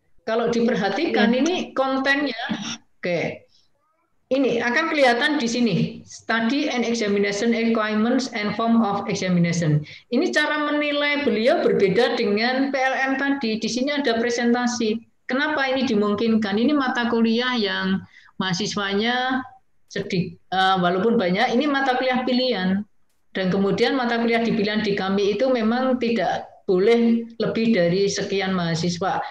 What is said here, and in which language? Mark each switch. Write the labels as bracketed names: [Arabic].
[Indonesian] Kalau diperhatikan ini kontennya, kayak ini akan kelihatan di sini. [English] Study and examination requirements and form of examination. [Indonesian] Ini cara menilai beliau berbeda dengan PLM tadi. Di sini ada presentasi. Kenapa ini dimungkinkan? Ini mata kuliah yang mahasiswanya sedikit, walaupun banyak, ini mata kuliah pilihan. Dan kemudian mata kuliah dipilihan di kami itu memang tidak boleh lebih dari sekian mahasiswa.